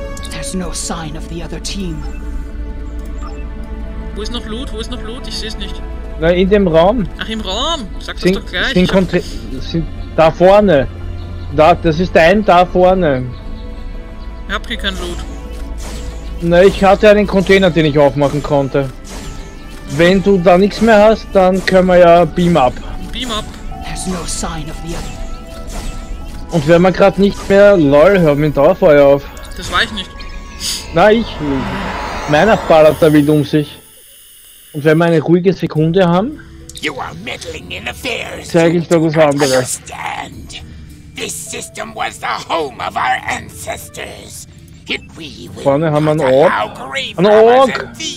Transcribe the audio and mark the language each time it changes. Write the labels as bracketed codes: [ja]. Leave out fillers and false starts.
[en] There's no sign of the other team. [de] Wo ist noch Loot? Wo ist noch Loot? Ich seh's nicht. Na, in dem Raum. Ach, im Raum! Sag das doch gleich. Sind da vorne. Da, das ist dein da vorne. Ich hab hier kein Loot. Na, ich hatte einen Container, den ich aufmachen konnte. Wenn du da nichts mehr hast, dann können wir ja beam up. [en] Beam up. There's no sign of the other. [de] Und wenn man gerade nicht mehr... Lol, hör mit dem Dauerfeuer auf. Das war ich nicht. Na, ich... Meiner ballert da wild um sich. Und wenn wir eine ruhige Sekunde haben... [en] You are meddling in affairs. [de] Zeig ich doch was anderes. [en] This system was the home of our ancestors. [de] Vorne haben wir einen Ork. Ein Ork!